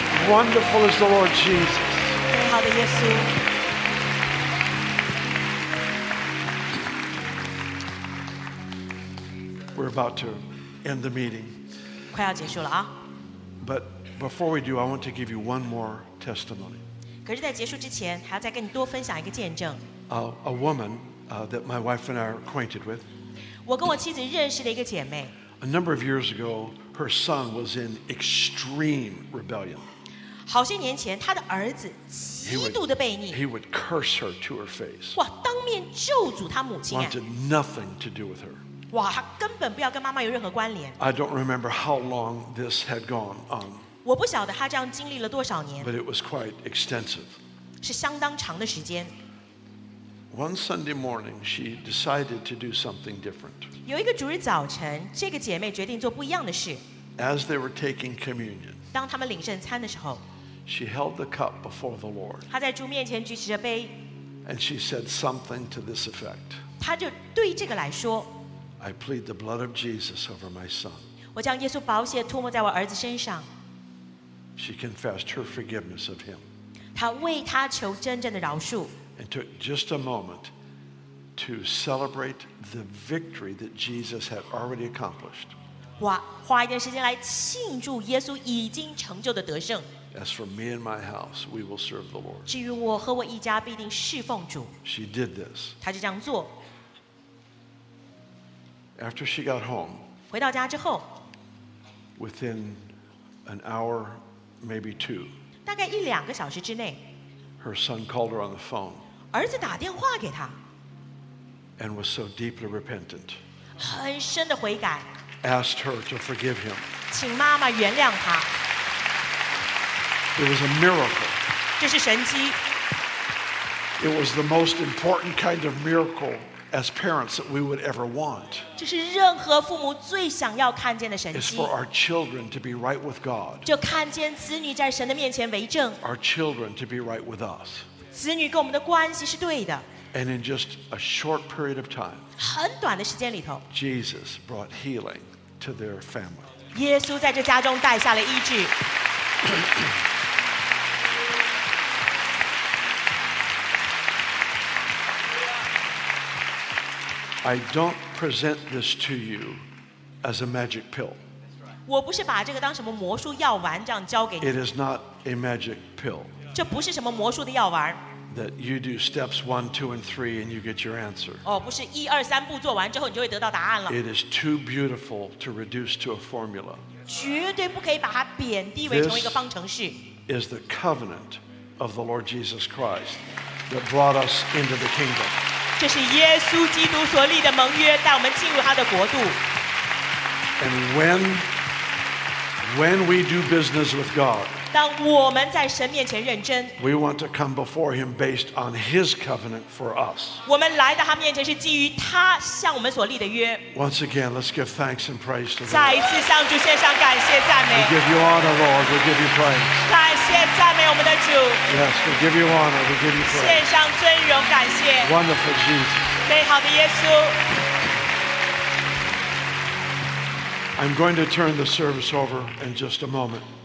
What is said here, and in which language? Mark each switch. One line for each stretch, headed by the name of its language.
English: Wonderful is the Lord Jesus. We're about to end the meeting.
Chinese: 快要结束了啊。
English: But before we do, I want to give you one more testimony.
Chinese: 可是在结束之前还要再跟你多分享一个见证
English: a woman that my wife and I are acquainted with
Chinese: 我跟我妻子认识的一个姐妹
English: A number of years ago her son was in extreme rebellion
Chinese: 好些年前他的儿子极度的悖逆
English: he would curse her to her face
Chinese: 哇当面咒诅他母亲
English: wanted nothing to do with her
Chinese: 哇他根本不要跟妈妈有任何关联
English: I don't remember how long this had gone on
Chinese: 我不晓得他这样经历了多少年
English: but it was quite extensive
Chinese: 是相当长的时间
English: One Sunday morning, she decided to do something different.
Chinese: 有一个主日早晨，这个姐妹决定做不一样的事。
English: As they were taking communion,
Chinese: 当他们领圣餐的时候，
English: she held the cup before the Lord.
Chinese: 她在主面前举起着杯。
English: And she said something to this effect.
Chinese: 她就对这个来说，
English: I plead the blood of Jesus over my son.
Chinese: 我将耶稣宝血涂抹在我儿子身上。
English: She confessed her forgiveness of him.
Chinese: 她为他求真正的饶恕。
English: And took just a moment to celebrate the victory that Jesus had already accomplished.
Chinese: 哇，花一点时间来庆祝耶稣已经成就的得胜。
English: As for me and my house, we will serve the Lord.
Chinese: 至于我和我一家必定侍奉主。
English: She did this.
Chinese: 她就这样做。
English: After she got home,
Chinese: 回到家之后，
English: within an hour, maybe two,
Chinese: 大概一两个小时之内。
English: Her son called her on the phone.
Chinese: 儿子打电话给她。
English: And was so deeply repentant.
Chinese: 很深的悔改。
English: Asked her to forgive him.
Chinese: 请妈妈原谅他。
English: It was a miracle.
Chinese: 这是神迹。
English: It was the most important kind of miracle as parents that we would ever want.
Chinese: 这是任何父母最想要看见的神迹。
English: It's for our children to be right with God.
Chinese: 就看见子女在神的面前为证。
English: Our children to be right with us.
Chinese: 子女跟我们的关系是对的。
English: And in just a short period of time,
Chinese: 很短的时间里头，
English: Jesus brought healing to their family.
Chinese: 耶稣在这家中带下了医治。
English: I don't present this to you as a magic pill.
Chinese: 我不是把这个当什么魔术药丸这样交给你。
English: It is not a magic pill.
Chinese: 这不是什么魔术的药丸。
English: That you do steps one, two, and three, and you get your answer.
Chinese: 哦，不是一二三步做完之后你就会得到答案了。
English: It is too beautiful to reduce to a formula.
Chinese: 绝对不可以把它贬低为成为一个方程式。
English: This is the covenant of the Lord Jesus Christ that brought us into the kingdom.
Chinese: 这是耶稣基督所立的盟约，带我们进入他的国度。
English: And when we do business with God,
Chinese: 当我们在神面前认真，
English: we want to come before Him based on His covenant for us.
Chinese: 我们来到他面前是基于他向我们所立的约。
English: Once again, let's give thanks and praise to God.
Chinese: 再一次向主献上感谢赞美。
English: We give you honor, Lord. We give you praise.
Chinese: 感谢赞美我们的主。
English: Yes, we give you honor. We give you praise.
Chinese: 献上尊荣感谢。
English: Wonderful Jesus.
Chinese: 美好的耶稣。
English: I'm going to turn the service over in just a moment.